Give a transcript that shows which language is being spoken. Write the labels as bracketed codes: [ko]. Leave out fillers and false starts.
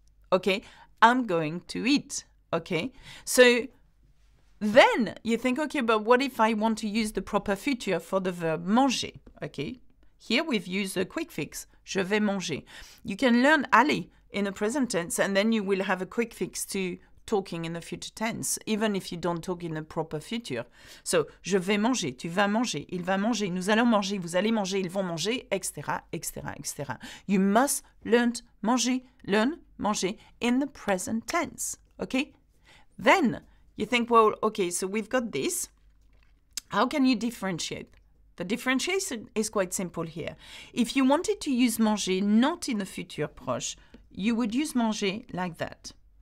[en] Okay, I'm going to eat. Okay, so then you think, okay, but what if I want to use the proper future for the verb manger? Okay, here we've used a quick fix, [fr] je vais manger. [en] You can learn aller in the present tense and then you will have a quick fix to talking in the future tense, even if you don't talk in the proper future. [fr] So, je vais manger, tu vas manger, il va manger, nous allons manger, vous allez manger, ils vont manger, etc., etc., etc. [en] You must learn manger in the present tense. Okay, then you think, well, okay, so we've got this. How can you differentiate? The differentiation is quite simple here. If you wanted to use manger not in the [fr] future proche, [en] you would use manger like that.